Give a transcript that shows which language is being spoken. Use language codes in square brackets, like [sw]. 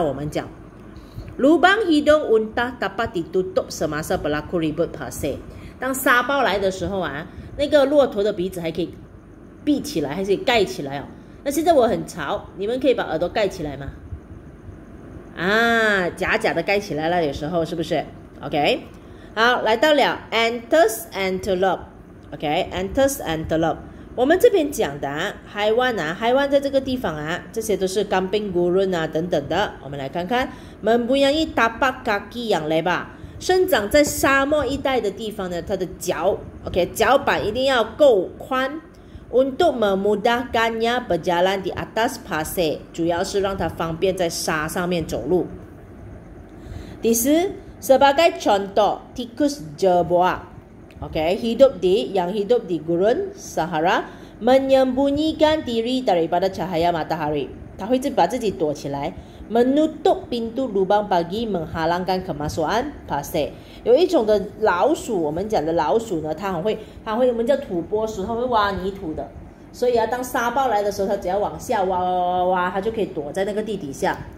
[zh] 我们讲 [ms] Lubang hidung untah dapat ditutup semasa berlaku ribut pasir， [zh] 当沙暴来的时候啊，那个骆驼的鼻子还可以闭起来，还可以盖起来哦。那现在我很潮，你们可以把耳朵盖起来吗？啊，假假的盖起来了，有时候是不是？ OK， 好，来到了 Antus antelope。 OK， Antus antelope我们这边讲的haiwan啊，haiwan在这个地方啊，这些都是kambing gurun啊等等的。我们来看看 [ms] mempunyai tapak kaki yang lebar， [zh] 生长在沙漠一带的地方呢，它的脚 OK 脚板一定要够宽。 [ms] untuk memudahkannya berjalan di atas pasir， [zh] 主要是让它方便在沙上面走路。 [ms] 第四 sebagai contoh tikus jerboaOK， hidup di yang hidup di gurun Sahara menyembunyikan diri daripada cahaya matahari， [zh] 他会把自己躲起来。 [ms] menutup pintu lubang bagi menghalangkan kemasukan pasir， [zh] 有一种的老鼠，我们讲的老鼠呢，它会我们叫土拨鼠，它会挖泥土的。所以啊当沙暴来的时候，它只要往下挖挖挖挖，它就可以躲在那个地底下。